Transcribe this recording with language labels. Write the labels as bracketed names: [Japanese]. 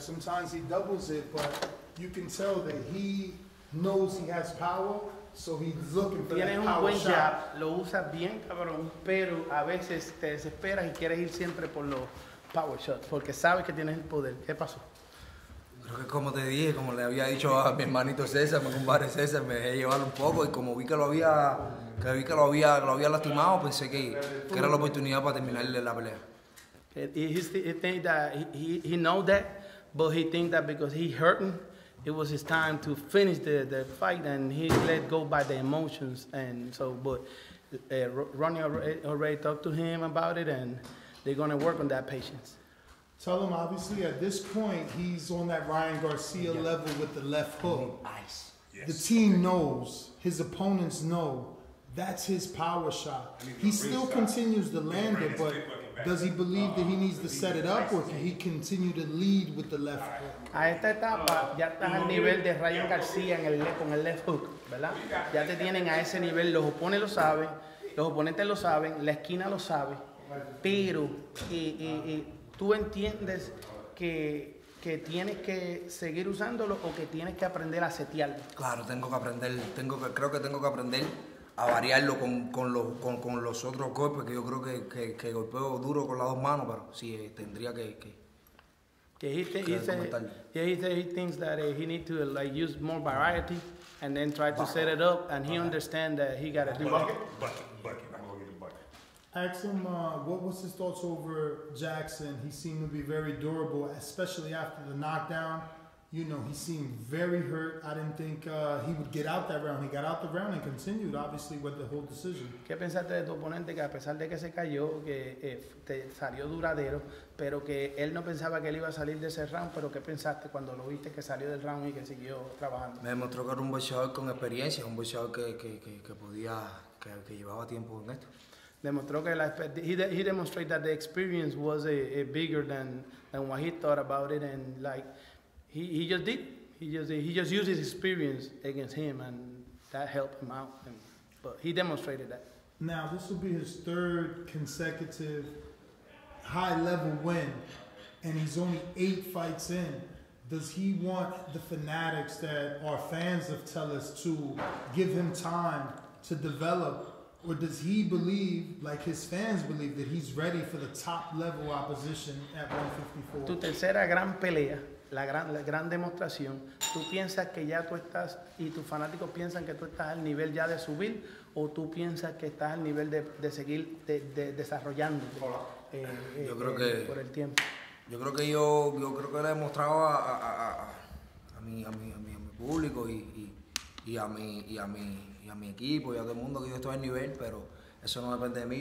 [English] Sometimes he doubles it, but you can tell that he knows he has power, so he's looking for [Spanish] tienes [English] that power [Spanish] un buen [English] shot. [Spanish] Jab, lo usas bien, cabrón, pero a veces te desesperas y quieres ir siempre por los power shots, porque sabes que tienes el poder. ¿Qué pasó? Creo que como te dije, como le había dicho a mi hermanito César, mi compadre César, me dejé llevar un poco y como vi que lo había lastimado, pensé que era la oportunidad para terminarle la pelea. [English] He think that he know that, but he think that because he hurting, it was his time to finish the fight and he let go by the emotions and so. But Ronnie already talked to him about it and they're gonna work on that patience. Tell him obviously at this point he's on that Ryan Garcia level with the left hook. Ice. Yes. The team knows, his opponents know. That's his power shot. He still continues to land it, but does he believe that he needs to set it up or can he continue to lead with the left hook? [Spanish] A esta etapa ya estás al nivel de Ryan García con el left hook, ¿verdad? Ya te tienen a ese nivel, los oponentes lo saben, la esquina lo sabe, pero tú entiendes que tienes que seguir usándolo o que tienes que aprender a setearlo. Claro, creo que tengo que aprender. A variarlo con los otros golpes, que yo creo que golpeo duro con las dos manos, pero sí, tendría que [English] Yeah, he thinks that he need to like use more variety and then try to set it up, and he understand that he got to do bucket, bucket. I'm going to get a bucket. Ask him, what was his thoughts over Jackson? He seemed to be very durable, especially after the knockdown. You know, he seemed very hurt. I didn't think he would get out that round. He got out the round and continued, obviously, with the whole decision. [Spanish] ¿Qué pensaste de tu oponente que a pesar de que se cayó, que te salió duradero, pero que él no pensaba que él iba a salir de ese round, pero qué pensaste cuando lo viste que salió del round y que siguió trabajando? Me demostró que era un boxeador con experiencia, un boxeador que podía, que llevaba tiempo en esto. Demostró que [English] he demonstrated that the experience was a bigger than what he thought about it, and like, he just did. He just used his experience against him, and that helped him out. And, but he demonstrated that. Now, this will be his third consecutive high-level win, and he's only 8 fights in. Does he want the fanatics that are fans of TELUS to give him time to develop, or does he believe, like his fans believe, that he's ready for the top-level opposition at 154? [Spanish] Tu tercera gran pelea. La gran demostración, ¿tú piensas que ya tú estás y tus fanáticos piensan que tú estás al nivel ya de subir o tú piensas que estás al nivel de seguir de desarrollando por el tiempo? Yo creo que yo creo que le he demostrado a mi público y a mi equipo y a todo el mundo que yo estoy al nivel, pero eso no depende de mí.